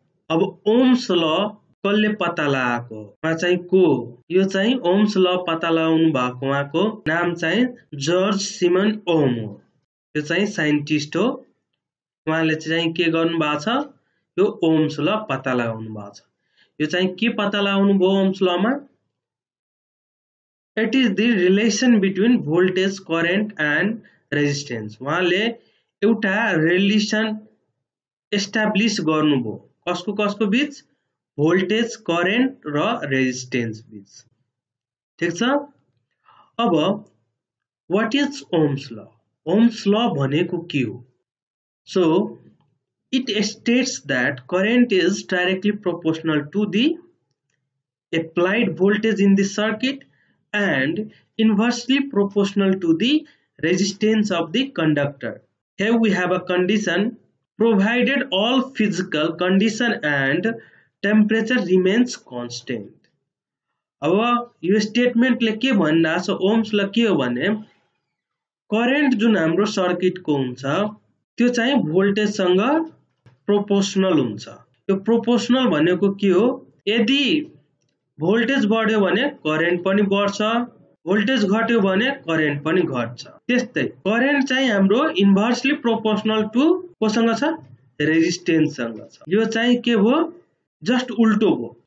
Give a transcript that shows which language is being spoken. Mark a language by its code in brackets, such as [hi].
[ne] अब ओम्स ल कसले पत्ता लगाएको, उहाँ चाहिँ को, यो चाहिँ ओम्स ल पत्ता लगाउनु भएको उहाँको नाम चाहिँ जर्ज सिमन ओम हो। यो चाहिँ साइन्टिस्ट हो। उहाँले चाहिँ के गर्नुभएको छ, यो ओम्स ल पत्ता लगाउनु भएको छ। यो चाहिँ के पत्ता लगाउनु भयो ohms Lama, [en] It is the relation between voltage current and resistance. [ne] उहाँले एउटा रिलेसन एस्टाब्लिस गर्नुभयो कसको कसको बिच, भोल्टेज करेन्ट र रेजिस्टेन्स बिच। ठिक छ। अब [en] what is Ohm's law, [ne] ओम्स ल भनेको के हो? So [en] it states that current is directly proportional to the applied voltage in the circuit and inversely proportional to the resistance of the conductor. Here we have a condition, provided all physical condition and temperature remains constant. Now, your statement [ne] le ke bhanna, so ohms la ke ho bhanne, current jun hamro circuit ko huncha tyo chahi voltage sanga proportional हुन्छ। त्यो proportional भनेको के हो, यदि voltage बढ्यो भने current पनि बढ्छ, भोल्टेज घट्यो भने करेन्ट पनि घट्छ। त्यस्तै करेन्ट चाहिँ हाम्रो [en] inversely proportional to [ne] कोसँग छ, रेजिस्टेन्ससँग छ। यो चाहिँ के भयो, जस्ट उल्टो भयो।